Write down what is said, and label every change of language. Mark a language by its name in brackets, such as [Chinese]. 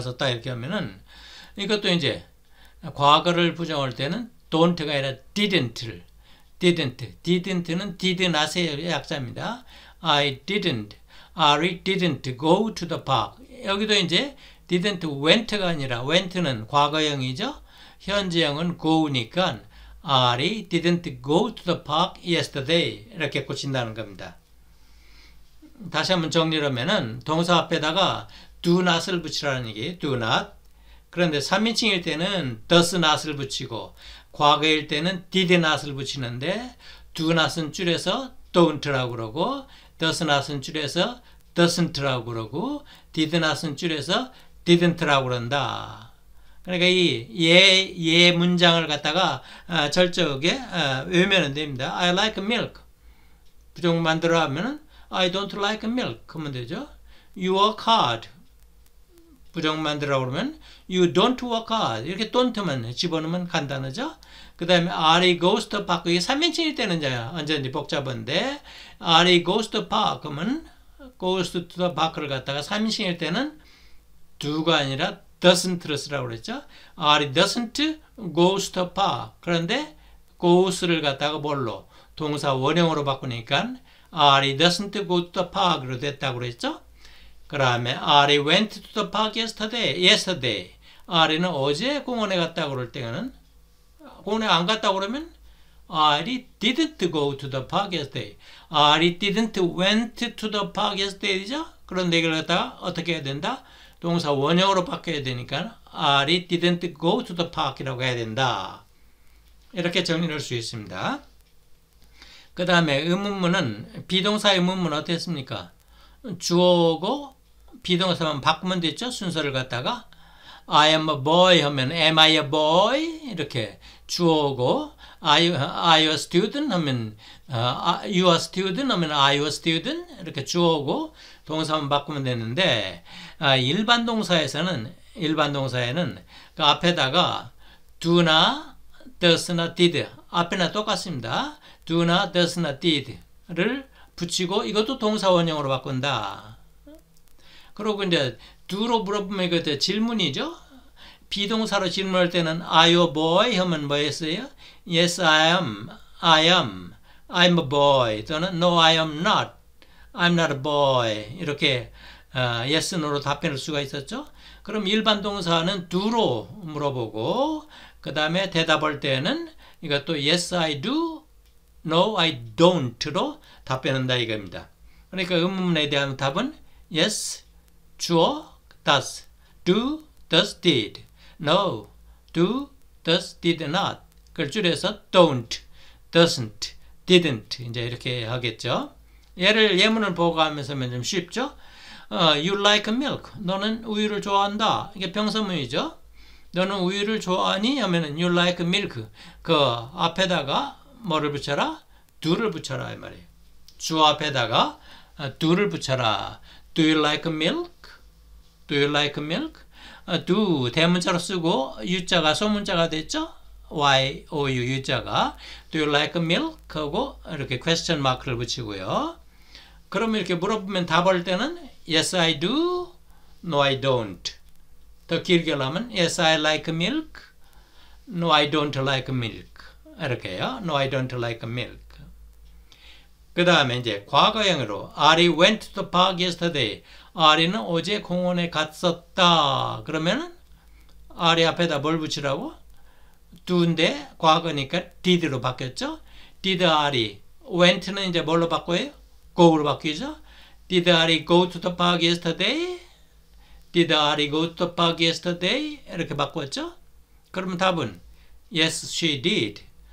[Korean] 이렇게 하면은 이것도 이제 과거를 부정할 때는 don't가 아니라 didn't를 didn't. didn't는 did not의 약자입니다. [English] I didn't. Ari didn't go to the park. [Korean] 여기도 이제 didn't went가 아니라 went는 과거형이죠. 현재형은 go니까 [English] Ari didn't go to the park yesterday. [Korean] 이렇게 고친다는 겁니다. 다시 한번 정리를 하면은 동사 앞에다가 do not을 붙이라는 얘기. [English] do not. [Korean] 그런데 3인칭일 때는 does not을 붙이고 과거일 때는 did not을 붙이는데 do not은 줄여서 don't라고 그러고 does not은 줄여서 doesn't라고 그러고 did not은 줄여서 didn't라고 그런다. 그러니까 이 예 문장을 갖다가 철저하게 외우면 됩니다. [English] I like milk. [Korean] 부정 만들어 하면은 [English] I don't like milk [Korean] 하면 되죠. [English] You work hard. [Korean] 부정 만들어 그러면 [English] You don't work hard. [Korean] 이렇게 don't만 집어넣으면 간단하죠. 그 다음에 [English] Ari goes to the park. [Korean] 이게 3인칭일 때는 언제든지 복잡한데 [English] Ari goes to the park [Korean] 하면 goes to the park를 갖다가 3인칭일 때는 do가 아니라 doesn't를 쓰라고 그랬죠. [English] Ari doesn't goes to the park. [Korean] 그런데 goes를 갖다가 뭘로? 동사 원형으로 바꾸니까 [English] Ari doesn't go to the park [Korean] 으로 됐다고 그랬죠. 그 다음에 [English] Ari went to the park yesterday. [Korean] Ari는 어제 공원에 갔다고 그럴 때는 공원에 안 갔다고 그러면 [English] Ari didn't go to the park yesterday. Ari didn't went to the park yesterday죠. [Korean] 그런 얘기를 갖다가 어떻게 해야 된다? 동사 원형으로 바뀌어야 되니까 [English] Ari didn't go to the park [Korean] 이라고 해야 된다. 이렇게 정리할 수 있습니다. 그 다음에 의문문은 비동사의 문문은 어땠습니까? 주어고 비동사만 바꾸면 됐죠. 순서를 갖다가 [English] I am a boy [Korean] 하면 [English] am I a boy [Korean] 이렇게 주어고 I a student 하면 you a student 하면 I a student 이렇게 주어고 동사만 바꾸면 되는데 일반 동사에서는 일반 동사에는 그 앞에다가 do나 does 나 did 앞에나 똑같습니다. do 나 does 나 did를 붙이고 이것도 동사 원형으로 바꾼다. 그리고 이제 do로 물어보면 이것도 질문이죠. 비동사로 질문할 때는 [English] Are you a boy? [Korean] 하면 뭐였어요? [English] Yes, I am. I am. I'm a boy. 또는 No, I am not. I'm not a boy. [Korean] 이렇게 yes, no로 답변할 수가 있었죠. 그럼 일반 동사는 do로 물어보고 그 다음에 대답할 때는 이것도 [English] Yes, I do. No, I don't. [Korean] 로 답변한다 이겁니다. 그러니까 의문문에 대한 답은 Yes, 주어, does, do, does, did. [English] No, do, does, did not. [Korean] 그걸 줄여서 don't, doesn't, didn't. 이제 이렇게 하겠죠. 예를 예문을 보고 하면서 좀 쉽죠. [English] You like milk. [Korean] 너는 우유를 좋아한다. 이게 병사문이죠. 너는 우유를 좋아하니? [English] 하면 you like milk. [Korean] 그 앞에다가 뭐를 붙여라? do를 붙여라 이 말이에요. 주 앞에다가 do를 붙여라. [English] Do you like milk? Do you like milk? [Korean] Do 대문자로 쓰고 U자가 소문자가 됐죠? [English] Y-O-U U자가 Do you like milk? [Korean] 하고 이렇게 question mark를 붙이고요. 그럼 이렇게 물어보면 답할 때는 [English] Yes, I do. No, I don't. [Korean] 더 길게 하면 [English] Yes, I like milk. No, I don't like milk. [Korean] 이렇게요. [English] No, I don't like milk. [Korean] 그 다음에 이제 과거형으로 [English] Ari went to the park yesterday. [Korean] Ari는 어제 공원에 갔었다. 그러면 Ari 앞에다 뭘 붙이라고? do인데 과거니까 did로 바뀌었죠. [English] did Ari. [Korean] went는 이제 뭘로 바꿔요? go로 바뀌죠. [English] did Ari go to the park yesterday? did Ari go to the park yesterday? [Korean] 이렇게 바꿨죠. 그러면 답은 [English] yes she did.